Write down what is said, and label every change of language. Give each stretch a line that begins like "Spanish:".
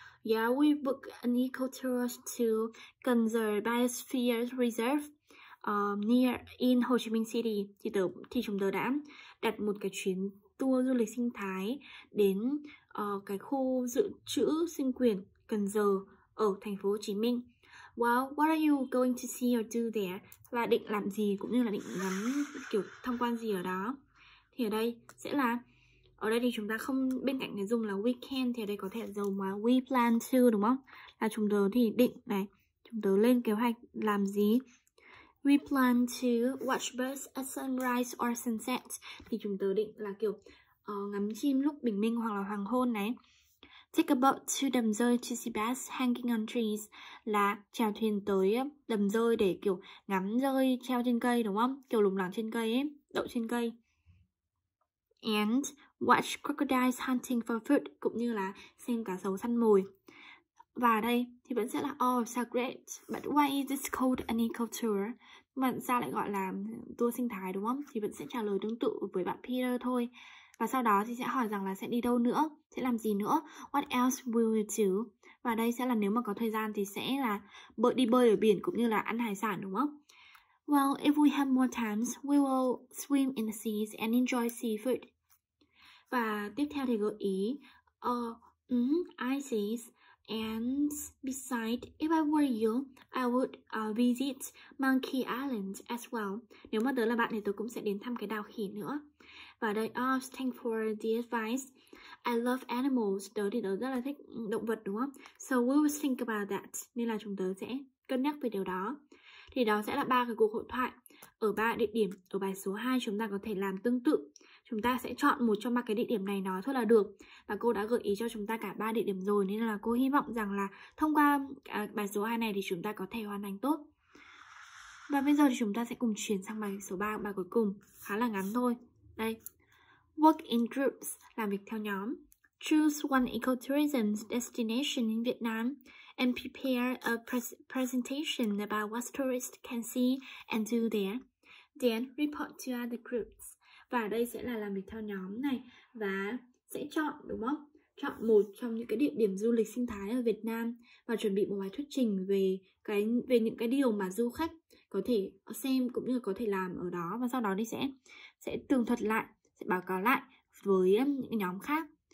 English: Yeah, we book an eco tour to Gunser Biosphere Reserve near in Ho Chi Minh City.
Vietnamese: Thì chúng tôi đã đặt một cái chuyến tour du lịch sinh thái đến cái khu dự trữ sinh quyền Cần Giờ ở thành phố Hồ Chí Minh.
English: Well, what are you going to see or do there?
Vietnamese: Và định làm gì cũng như là định ngắm kiểu tham quan gì ở đó. Thì ở đây sẽ là, ở đây thì chúng ta không bên cạnh cái dùng là
English: we can,
Vietnamese: thì ở đây có thể dùng là
English: we plan to
Vietnamese: đúng không? Là chúng tớ thì định này, chúng tớ lên kế hoạch làm gì.
English: We plan to watch birds at sunrise or sunset.
Vietnamese: Thì chúng tớ định là kiểu ngắm chim lúc bình minh hoặc là hoàng hôn này.
English: Take a boat to đầm rơi to see bass hanging on trees.
Vietnamese: Là chèo thuyền tới đầm rơi để kiểu ngắm rơi treo trên cây đúng không? Kiểu lủng lẳng trên cây ấy, đậu trên cây.
English: And watch crocodiles hunting for food,
Vietnamese: cũng như là xem cá sấu săn mồi. Và ở đây thì vẫn sẽ là
English: oh, so great, but why is this called an eco tour?
Vietnamese: Mà sao lại gọi là tour sinh thái đúng không? Thì vẫn sẽ trả lời tương tự với bạn Peter thôi. Và sau đó thì sẽ hỏi rằng là sẽ đi đâu nữa, sẽ làm gì nữa,
English: what else will you do?
Vietnamese: Và đây sẽ là nếu mà có thời gian thì sẽ là bơi, đi bơi ở biển cũng như là ăn hải sản đúng không?
English: Well, if we have more times, we will swim in the seas and enjoy seafood.
Vietnamese: Và tiếp theo thì gợi ý,
English: I see. And besides, if I were you, I would visit Monkey Island as well.
Vietnamese: Nếu mà tớ là bạn thì tớ cũng sẽ đến thăm cái đảo khỉ nữa. Và đây,
English: thanks for the advice. I love animals.
Vietnamese: Tớ thì tớ rất là thích động vật đúng không?
English: So we will think about that.
Vietnamese: Nên là chúng tớ sẽ cân nhắc về điều đó. Thì đó sẽ là ba cái cuộc hội thoại ở ba địa điểm. Ở bài số 2 chúng ta có thể làm tương tự. Chúng ta sẽ chọn một trong ba cái địa điểm này nói thôi là được. Và cô đã gợi ý cho chúng ta cả ba địa điểm rồi, nên là cô hy vọng rằng là thông qua bài số 2 này thì chúng ta có thể hoàn thành tốt. Và bây giờ thì chúng ta sẽ cùng chuyển sang bài số 3, bài cuối cùng. Khá là ngắn thôi. Đây,
English: work in groups,
Vietnamese: làm việc theo nhóm.
English: Choose one ecotourism destination in Vietnam and prepare a presentation about what tourists can see and do there. Then report to other groups.
Vietnamese: Và đây sẽ là làm việc theo nhóm này. Và sẽ chọn, đúng không? Chọn một trong những cái địa điểm du lịch sinh thái ở Việt Nam và chuẩn bị một bài thuyết trình về cái về những cái điều mà du khách có thể xem cũng như có thể làm ở đó. Và sau đó thì sẽ tường thuật lại, sẽ báo cáo lại với những nhóm khác.